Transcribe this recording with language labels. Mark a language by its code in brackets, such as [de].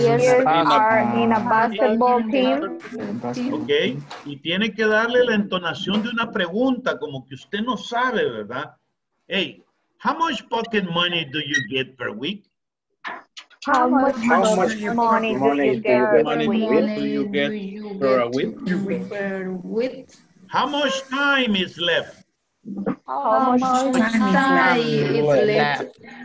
[en] How many players are in a basketball team? [es] Okay, y tiene que darle la entonación de una pregunta, como que usted no sabe, ¿verdad? [en] Hey, how much pocket money do you get per week? How much money do you get per week? How much time is left? How much time is left?